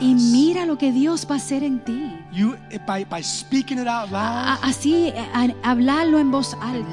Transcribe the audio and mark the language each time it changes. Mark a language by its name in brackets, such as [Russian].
[Spanish] Y mira lo que Dios va a hacer en ti. [English] You by speaking it out loud. [Spanish] Así hablarlo en voz alta.